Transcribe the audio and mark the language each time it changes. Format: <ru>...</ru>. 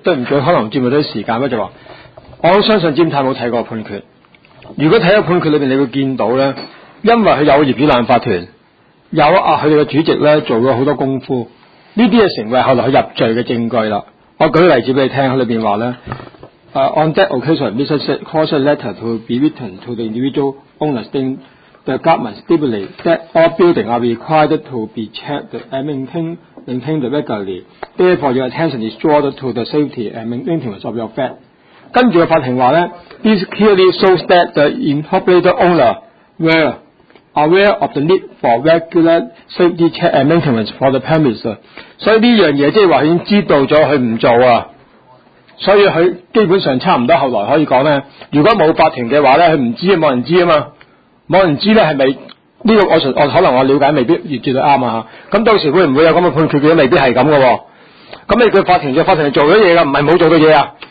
<yue>對唔住，可能佔咗啲時間咧，就話我相信詹太冇睇過判決。如果睇咗判決裏面，你會見到咧，因為佢有業主立案法團，有啊，佢哋嘅主席咧做咗好多功夫，呢啲嘢成為後來佢入罪嘅證據啦。我舉例子俾你聽，喺裏邊話咧。</yue> <en>On that occasion, Mrs. Said caused a letter to be written to the individual owner stating the government stipulate that all buildings are required to be checked and maintained regularly. Therefore, your attention is drawn to the safety and maintenance of your flat.</en> <yue>跟住法庭話呢</yue> <en>this clearly shows that the incorporated owner were aware of the need for regular safety check and maintenance for the premises.</en> <yue>所以呢樣嘢即係話已經知道咗佢唔做啊。所以佢基本上差唔多，後來可以講咧，如果冇法庭嘅話咧，佢唔知啊，冇人知啊嘛，冇人知咧係咪呢個我？我可能我了解未必完全啱啊嚇。咁到時會唔會有咁嘅判決？佢未必係咁嘅喎。咁你佢法庭就法庭係做咗嘢噶，唔係冇做嘅嘢啊。</yue>